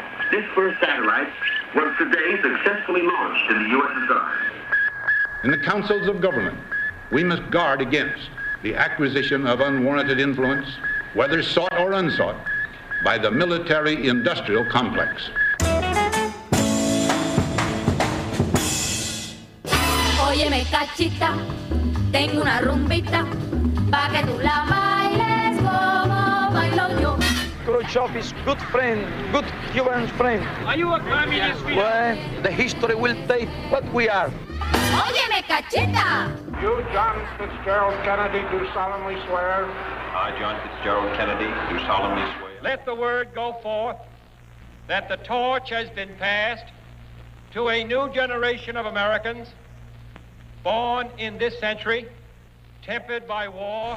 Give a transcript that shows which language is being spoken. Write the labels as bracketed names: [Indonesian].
[English] This first satellite was today successfully launched in the USSR. In the councils of government, we must guard against the acquisition of unwarranted influence, whether sought or unsought, by the military-industrial complex. [Spanish] Oye, me cachita, tengo una rumbita, pa' que tú la bailes como bailo yo. [English] Khrushchev is good friend, good human friend. Are you a communist? Well, the history will tell what we are. [Spanish] Oye, me cachita! [English] You, John Fitzgerald Kennedy, do solemnly swear. I, John Fitzgerald Kennedy, do solemnly swear. Let the word go forth that the torch has been passed to a new generation of Americans born in this century, tempered by war.